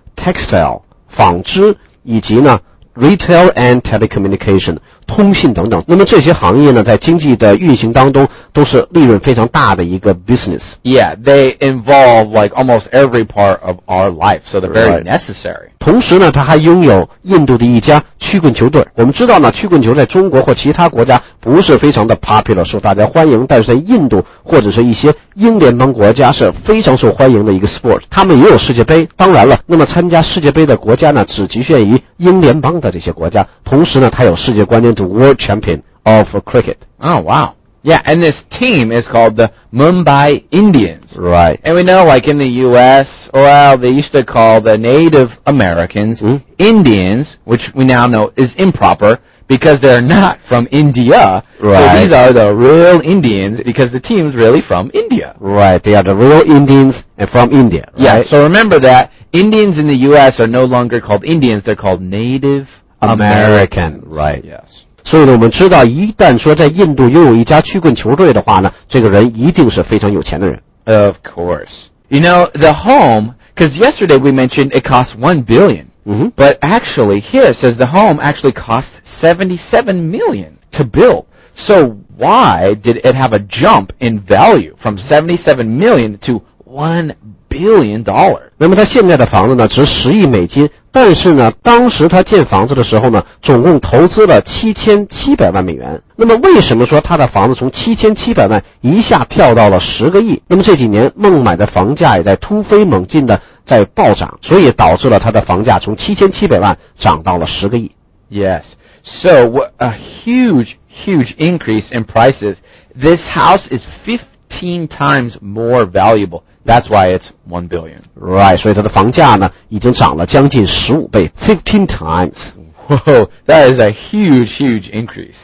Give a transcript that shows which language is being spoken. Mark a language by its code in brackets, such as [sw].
[zh] textile, 纺织以及呢 [en] retail and telecommunication, [zh] 通信等等。那么这些行业呢在经济的运行当中都是利润非常大的一个 business. [en] Yeah, they involve like almost every part of our life, so they're very necessary. [zh] 同时呢他还拥有印度的一家曲棍球队。我们知道呢曲棍球在中国或其他国家不是非常的 popular, 受大家欢迎，但是在印度或者是一些英联邦国家是非常受欢迎的一个 sport, 他们也有世界杯。当然了，那么参加世界杯的国家呢只局限于英联邦的这些国家，同时呢他有世界冠军 [en] the world champion of cricket. Oh, wow. Yeah, and this team is called the Mumbai Indians. Right. And we know like in the US, well, they used to call the Native Americans Indians, which we now know is improper. Because they're not from India, right. So these are the real Indians because the team's really from India. Right, they are the real Indians and from India, right? Yeah, so remember that Indians in the U.S. are no longer called Indians, they're called Native American. Americans. Right, yes. [zh] 所以呢我们知道一旦说在印度拥有一家曲棍球队的话呢这个人一定是非常有钱的人。 [en] Of course. You know, the home, because yesterday we mentioned it costs $1 billion. But actually, here it says the home actually cost $77 million to build. So why did it have a jump in value from $77 million to $1 billion? [zh] 那么它现在的房子呢值10亿美金，但是呢当时它建房子的时候呢总共投资了$77 million。那么为什么说它的房子从$77 million一下跳到了10亿？那么这几年孟买的房价也在突飞猛进的在暴涨，所以导致了它的房价从$77 million涨到了10亿。 [en] Yes, so what a huge increase in prices. This house is 15 times more valuable. That's why it's $1 billion. [zh] Right, 所以它的房价呢已经涨了将近15倍 , [en] 15 times. Whoa, that is a huge, huge increase.